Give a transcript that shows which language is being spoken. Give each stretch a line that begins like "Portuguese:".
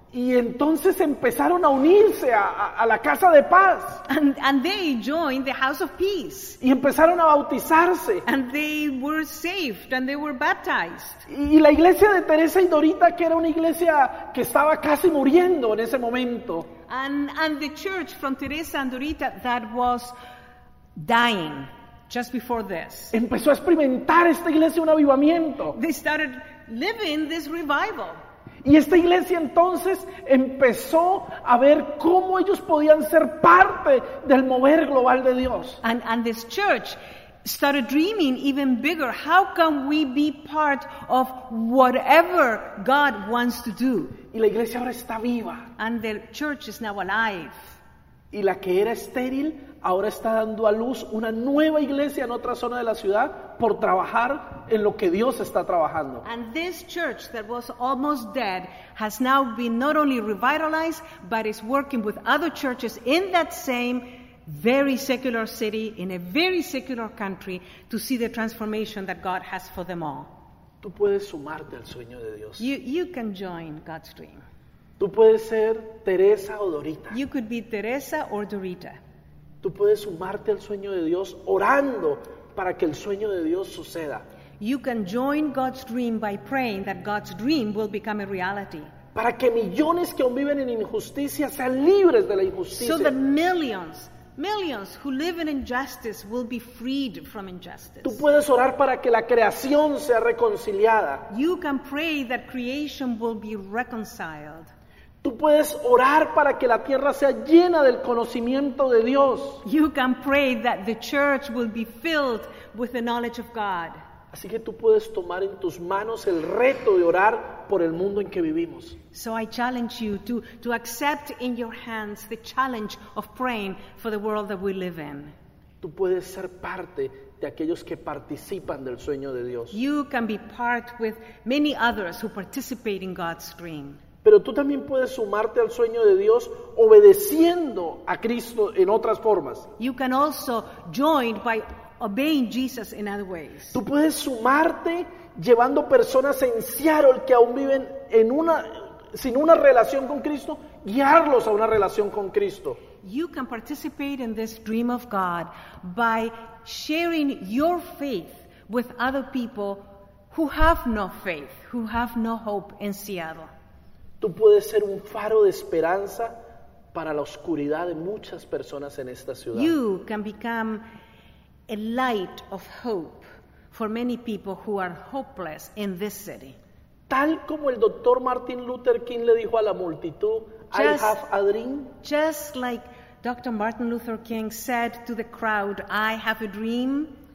Spanish: Y entonces empezaron a unirse a la casa de paz.
English: And they joined the house of peace.
Spanish: Y empezaron a bautizarse.
English: And they were saved and they were baptized.
Spanish: Y la iglesia de Teresa y Dorita, que era una iglesia que estaba casi muriendo en ese momento.
English: And the church from Teresa and Dorita that was dying just before this.
Spanish: Empezó a experimentar esta iglesia un avivamiento.
English: They started living this revival.
Spanish: Y esta iglesia entonces empezó a ver cómo ellos podían ser parte del mover global de Dios.
English: And this church started dreaming even bigger. How can we be part of whatever God wants to do?
Spanish: Y la iglesia ahora está viva.
English: And the church is now alive.
Spanish: Y la que era estéril ahora está dando a luz una nueva iglesia en otra zona de la ciudad por trabajar en lo que Dios está trabajando.
English: And this church that was almost dead has now been not only revitalized, but is working with other churches in that same very secular city, in a very secular country, to see the transformation that God has for them all.
Spanish: Tú puedes sumarte al sueño de Dios.
English: You can join God's dream.
Spanish: Tú puedes ser Teresa o Dorita.
English: You could be Teresa or Dorita.
Spanish: Tú puedes sumarte al sueño de Dios orando para que el sueño de Dios suceda.
English: You can join God's dream by praying that God's dream will become a reality.
Spanish: Para que millones que aún viven en injusticia sean libres de la injusticia.
English: So that millions who live in injustice will be freed from injustice.
Spanish: Tú puedes orar para que la creación sea reconciliada.
English: You can pray that creation will be reconciled.
Spanish: Tú puedes orar para que la tierra sea llena del conocimiento de Dios.
English: You can pray that the church will be filled with the knowledge of God.
Spanish: Así que tú puedes tomar en tus manos el reto de orar por el mundo en que vivimos.
English: So I challenge you to accept in your hands the challenge of praying for the world that we live in.
Spanish: Tú puedes ser parte de aquellos que participan del sueño de Dios.
English: You can be part with many others who participate in God's dream.
Spanish: Pero tú también puedes sumarte al sueño de Dios obedeciendo a Cristo en otras formas.
English: You can also join by obeying Jesus in other ways.
Spanish: Tú puedes sumarte llevando personas en Seattle que aún viven en una sin una relación con Cristo, guiarlos a una relación con Cristo.
English: You can participate in this dream of God by sharing your faith with other people who have no faith, who have no hope in Seattle.
Spanish: Tú puedes ser un faro de esperanza para la oscuridad de muchas personas en esta ciudad.
English: You can become a light of hope for many people who are hopeless in this city.
Spanish: Tal como el doctor Martin Luther King le dijo a la multitud,
English: just, I have a dream. Just like Dr. Martin Luther King said to the crowd, I have a dream.